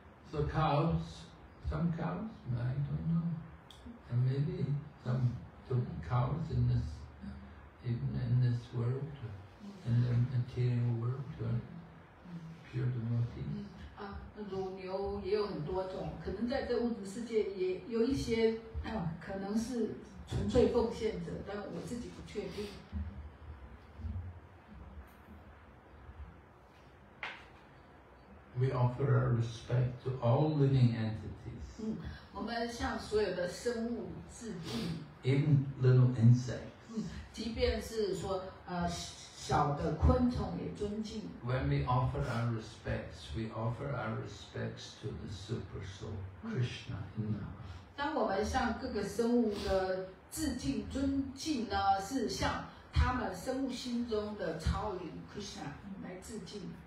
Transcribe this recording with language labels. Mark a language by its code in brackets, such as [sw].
[en] So cows, some cows, I don't know, and maybe some cows in this, even in this world, in the material world, pure devotees. [zh] 乳牛也有很多种，可能在这物质世界也有一些，可能是。纯粹奉献者，但我自己不确定。 [en] We offer our respect to all living entities. [zh] 嗯，我们向所有的生物致敬。 [en] Even little insects. [zh] 嗯，即便是说小的昆虫也尊敬。 [en] When we offer our respects, we offer our respects to the super soul, Krishna, in the heart. [zh] 当我们向各个生物的致敬尊敬呢，是向他们生物心中的超灵 Krishna 来致敬。